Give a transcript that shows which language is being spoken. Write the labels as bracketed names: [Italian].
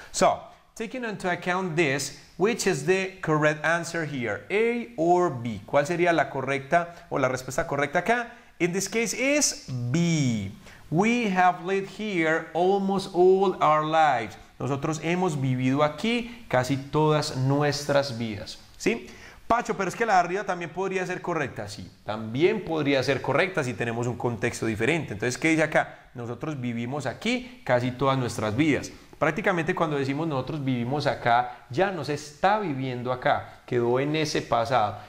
[English] So, taking into account this, which is the correct answer here, A or B? [Spanish] ¿Cuál sería la correcta o la respuesta correcta acá? [English] In this case is B. We have lived here almost all our lives. [Spanish] Nosotros hemos vivido aquí casi todas nuestras vidas. ¿Sí? Pacho, pero es que la de arriba también podría ser correcta. Sí, también podría ser correcta si tenemos un contexto diferente. Entonces, ¿qué dice acá? Nosotros vivimos aquí casi todas nuestras vidas. Prácticamente cuando decimos nosotros vivimos acá, ya nos está viviendo acá, quedó en ese pasado.